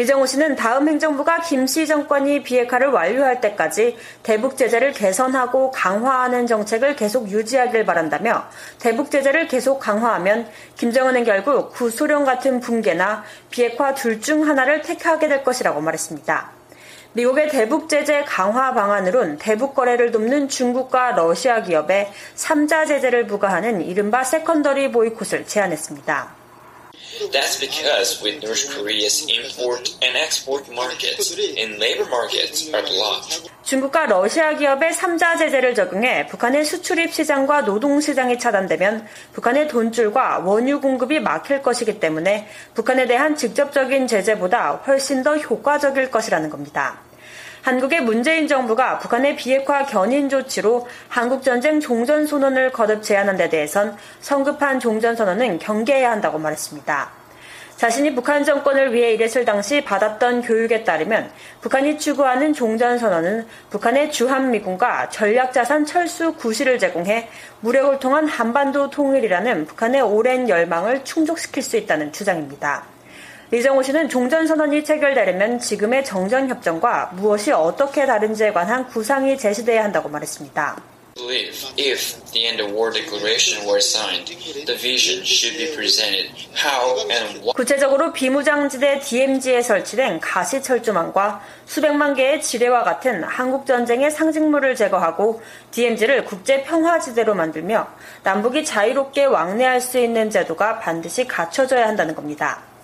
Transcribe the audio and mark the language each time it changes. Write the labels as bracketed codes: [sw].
[ko] 리정호 씨는 다음 행정부가 김 씨 정권이 비핵화를 완료할 때까지 대북 제재를 개선하고 강화하는 정책을 계속 유지하길 바란다며 대북 제재를 계속 강화하면 김정은은 결국 구소련 같은 붕괴나 비핵화 둘 중 하나를 택하게 될 것이라고 말했습니다. 미국의 대북 제재 강화 방안으론 대북 거래를 돕는 중국과 러시아 기업에 3자 제재를 부과하는 이른바 세컨더리 보이콧을 제안했습니다. [en] That's because with North Korea's import and export markets and labor markets are locked. [ko] 중국과 러시아 기업의 3자 제재를 적용해 북한의 수출입 시장과 노동 시장이 차단되면 북한의 돈줄과 원유 공급이 막힐 것이기 때문에 북한에 대한 직접적인 제재보다 훨씬 더 효과적일 것이라는 겁니다. 한국의 문재인 정부가 북한의 비핵화 견인 조치로 한국전쟁 종전선언을 거듭 제안한 데 대해선 성급한 종전선언은 경계해야 한다고 말했습니다. 자신이 북한 정권을 위해 일했을 당시 받았던 교육에 따르면 북한이 추구하는 종전선언은 북한의 주한미군과 전략자산 철수 구실을 제공해 무력을 통한 한반도 통일이라는 북한의 오랜 열망을 충족시킬 수 있다는 주장입니다. 리정호 씨는 종전선언이 체결되려면 지금의 정전협정과 무엇이 어떻게 다른지에 관한 구상이 제시돼야 한다고 말했습니다. [en] If the end of war declaration were signed, the vision should be presented how and what [ko] 구체적으로 비무장지대 DMZ에 설치된 가시철조망과 수백만 개의 지뢰와 같은 한국전쟁의 상징물을 제거하고 DMZ를 국제평화지대로 만들며 남북이 자유롭게 왕래할 수 있는 제도가 반드시 갖춰져야 한다는 겁니다.